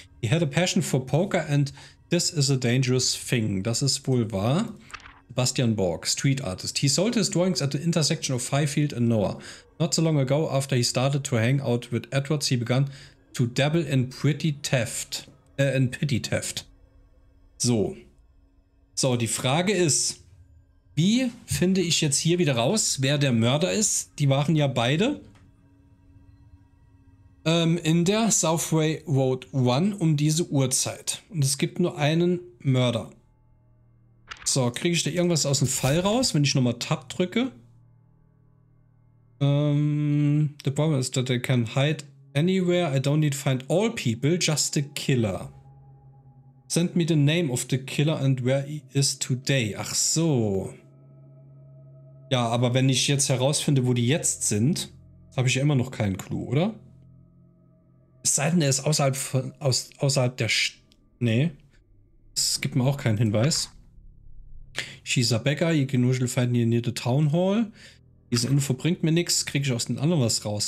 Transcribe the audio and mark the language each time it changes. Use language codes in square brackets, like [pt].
[en] He had a passion for poker and this is a dangerous thing. [de] Das ist wohl wahr. [en] Sebastian Borg, Street Artist. He sold his drawings at the intersection of Fifield and Noah. Not so long ago, after he started to hang out with Edwards, he began to dabble in pretty theft. In pity theft. So. [de] So, die Frage ist, wie finde ich jetzt hier wieder raus, wer der Mörder ist? Die waren ja beide. In der Southway Road 1 um diese Uhrzeit. Und es gibt nur einen Mörder. So, kriege ich da irgendwas aus dem Fall raus, wenn ich nochmal Tab drücke? [en] The problem is that they can hide anywhere. I don't need to find all people, just the killer. Send me the name of the killer and where he is today. [de] Ach so. Ja, aber wenn ich jetzt herausfinde, wo die jetzt sind, habe ich ja immer noch keinen Clou, oder? Es sei denn, er ist außerhalb von, außerhalb der Nee. Es gibt mir auch keinen Hinweis. [en] She's a beggar, you can usually find her near the town hall. [de] Diese Info bringt mir nichts, kriege ich aus den anderen was raus.